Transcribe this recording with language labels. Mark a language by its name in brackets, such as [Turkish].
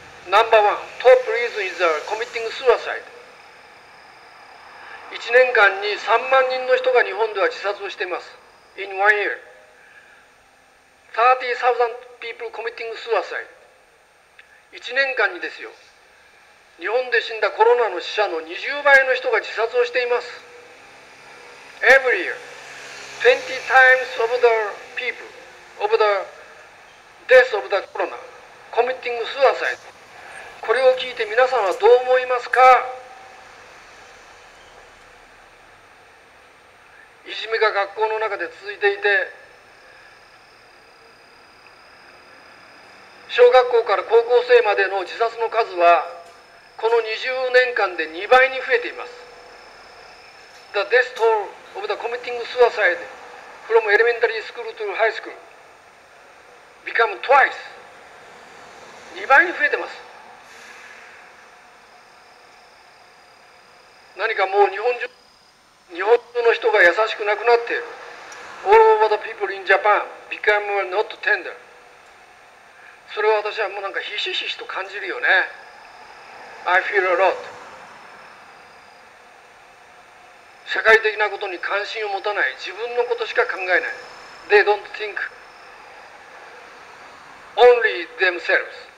[English] Number one, top reason is the committing suicide. [Japanese] 1年間に3万人の人が日本では自殺をしています。 [English] In one year, 30,000 people committing suicide. [Japanese] 1年間にですよ。日本で死んだコロナの死者の20倍の人が自殺をしています。 [English] Every year, 20 times of the people of the death of the corona committing suicide. [Japanese] これを聞いて皆さんはどう思いますか？いじめが学校の中で続いていて、小学校から高校生までの自殺の数はこの20年間で2倍に増えています。 [English] The death toll of the committing suicide from elementary school to high school become twice. [Japanese] 2倍に増えてます。何かもう日本中の人が優しくなくなっている。 [English] All over the people in Japan become not tender. [Japanese] それは私はもうなんかひしひしと感じるよね。 [English] I feel a lot. [Japanese] 社会的なことに関心を持たない。自分のことしか考えない。 [English] They don't think only themselves.